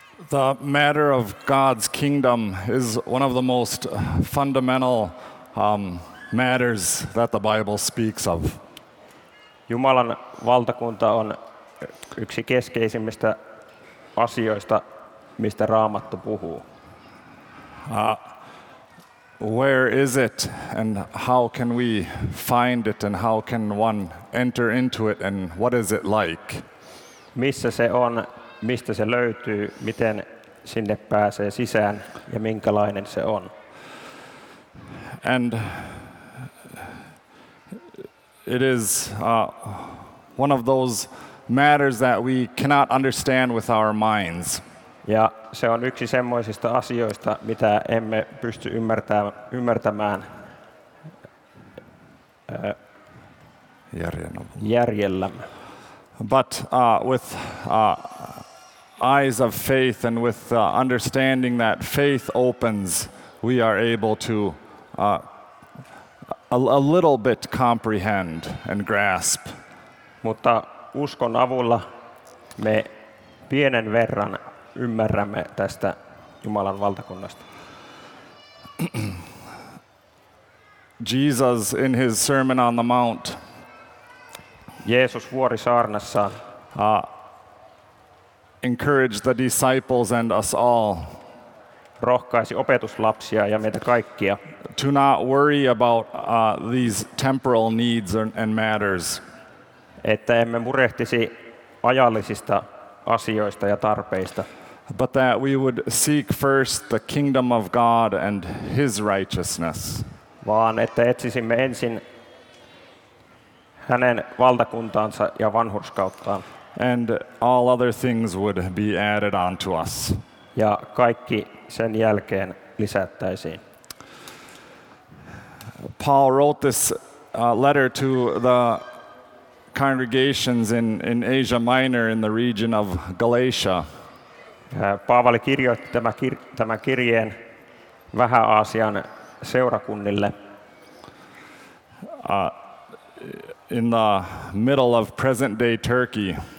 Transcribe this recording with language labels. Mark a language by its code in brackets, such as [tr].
[en] The matter of God's kingdom is one of the most fundamental matters that the Bible speaks of. [fi] Jumalan valtakunta on yksi keskeisimmistä asioista, mistä Raamattu puhuu. [en] Where is it and how can we find it and how can one enter into it and what is it like? [fi] Missä se on, mistä se löytyy, miten sinne pääsee sisään ja minkälainen se on? [en] And it is one of those matters that we cannot understand with our minds. [fi] Ja se on yksi semmoisista asioista, mitä emme pysty ymmärtämään järjellämme. [en] But with eyes of faith and with understanding that faith opens, we are able to a little bit comprehend and grasp. [fi] Mutta uskon avulla me pienen verran ymmärrämme tästä Jumalan valtakunnasta. [en] Jesus in his Sermon on the Mount. [fi] Jeesus vuorisaarnassaan [en] encouraged the disciples and us all. [fi] Rohkaisi opetuslapsia ja meitä kaikkia. [en] To not worry about these temporal needs and matters. [fi] Että emme murehtisi ajallisista asioista ja tarpeista. [en] But that we would seek first the kingdom of God and his righteousness. [fi] Vaan että etsisimme ensin hänen valtakuntaansa ja vanhurskauttaan. [en] And all other things would be added onto us. [fi] Ja kaikki sen jälkeen lisättäisiin. [en] Paul wrote this letter to the congregations in Asia Minor in the region of Galatia. [fi] Paavali kirjoitti tämän kirjeen Vähä-Aasian seurakunnille. [en] In the middle of present day Turkey.